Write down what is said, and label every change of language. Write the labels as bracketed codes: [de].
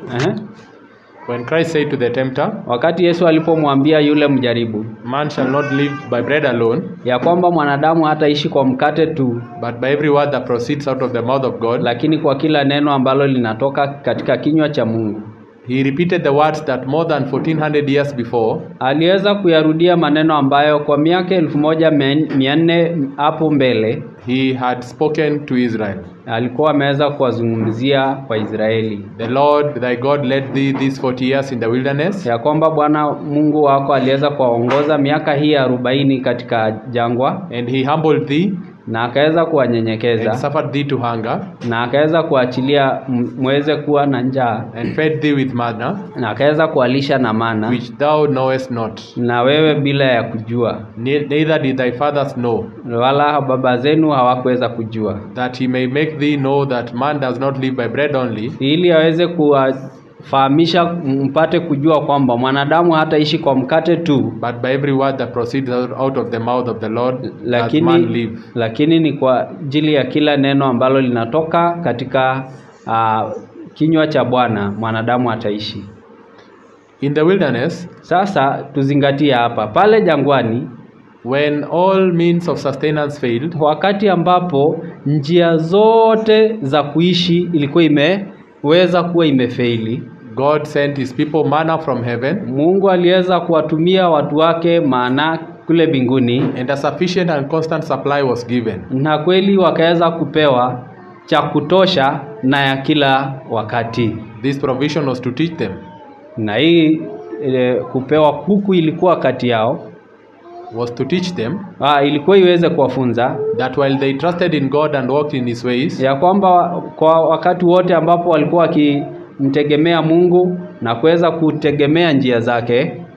[en] when Christ said to the tempter, [sw] wakati Yesu alipomwambia yule mjaribu, [en] man shall not live by bread alone, [sw] ya kwamba mwanadamu hataishi kwa mkate tu, [en] but by every word that proceeds out of the mouth of God, [sw] lakini kwa kila neno ambalo linatoka katika kinywa cha Mungu. [en] He repeated the words that more than 1400 years before, [sw] aliweza kuyarudia maneno ambayo kwa miaka 1400 hapo mbele, [en] he had spoken to Israel, [sw] alikuwa ameweza kuwazungumzia kwa Israeli, [en] the Lord thy God led thee these 40 years in the wilderness, [sw] ya kwamba Bwana Mungu wako aliweza kuwaongoza miaka hii 40 katika jangwa, [en] and he humbled thee, [sw] na akaweza kuwanyenyekeza, [en] suffered thee to hunger, [sw] na akaweza kuachilia muweze kuwa na njaa, [en] and fed thee with manna, [sw] na akaweza kualisha na mana, [en] which thou knowest not, [sw] na wewe bila ya kujua, [en] neither did thy fathers know, [sw] wala baba zenu hawakuweza kujua, [en] that he may make thee know that man does not live by bread only, [sw] ili aweze kuwafahamisha mpate kujua kwamba mwanadamu hataishi kwa mkate tu, [en] but by every word that proceeds out of the mouth of the Lord, [sw] lakini, [en] that man live, [sw] lakini ni kwa ajili ya kila neno ambalo linatoka katika kinywa cha Bwana mwanadamu ataishi. [en] In the wilderness, [sw] sasa tuzingatia hapa pale jangwani, [en] when all means of sustenance failed, [sw] wakati ambapo njia zote za kuishi ilikuwa imeweza kuwa imefaili, [en] God sent his people manna from heaven, [sw] Mungu aliweza kuwatumia watu wake manna kule binguni, [en] and a sufficient and constant supply was given, [sw] na kweli wakaweza kupewa cha kutosha na ya kila wakati. [en] This provision was to teach them, [sw] na hii kupewa kuku ilikuwa kati yao, [en] was to teach them, [sw] ilikuwa iweze kuwafunza, [en] that while they trusted in God and walked in his ways, [sw] ya kwamba kwa wakati wote ambapo walikuwa wakimtegemea Mungu na kuweza kutegemea njia zake,